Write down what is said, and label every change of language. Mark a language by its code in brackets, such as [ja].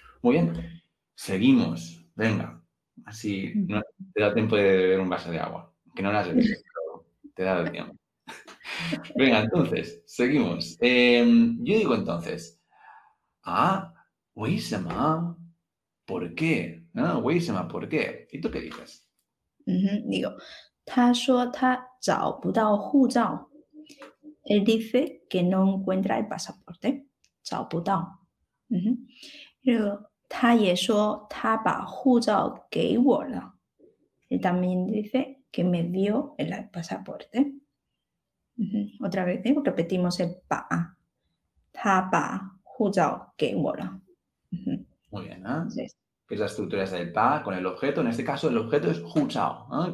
[es] Muy bien, seguimos. Venga, así no te da tiempo de beber un vaso de agua. Que no lo has bebido, pero te da el tiempo. Venga, entonces, seguimos. Yo digo entonces, weishama, ¿por qué? Ah, weishama, ¿por qué? ¿Y tú qué dices? [zh] Digo, 他说他找不到护照. [es] Él dice que no encuentra el pasaporte. [zh] 找不到. [es] Y luego, [zh] 他也说他把护照给我了. [es] Él también dice que me dio el pasaporte. Otra vez, repetimos el pa. [zh] 他把护照给我了. [es] Muy bien, ¿eh? Sí. Que es la estructura del pa con el objeto. En este caso, el objeto es hu chao, ¿eh?